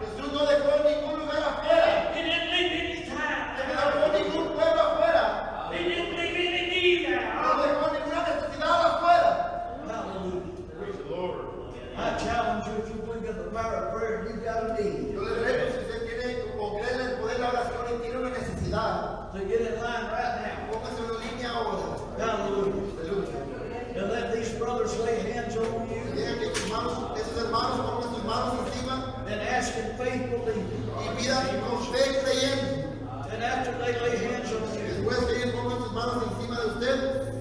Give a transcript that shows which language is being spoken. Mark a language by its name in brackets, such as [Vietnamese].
[Spanish] Jesús no dejó ningún lugar afuera. [English] He didn't leave any town. [Spanish] No dejó ningún pueblo afuera. [English] He didn't leave any need out. [Spanish] No dejó ninguna necesidad afuera. [English] Hallelujah. Praise the Lord. I challenge you, if you believe in the power of prayer, you've got a need. [Spanish] Yo le reto si usted tiene o cree en el poder de la oración y tiene una necesidad. [English] To get in line right now. [Spanish] Póngase en línea ahora. [English] Hallelujah. And let these brothers lay hands on you. [Spanish] Déjenme que manos, esos hermanos pongan sus manos encima. [English] And ask in faith believing. [Spanish] Y pidan con fe creyendo. [English] And after they lay hands on you. [Spanish] Después de ellos pongan sus manos encima de usted.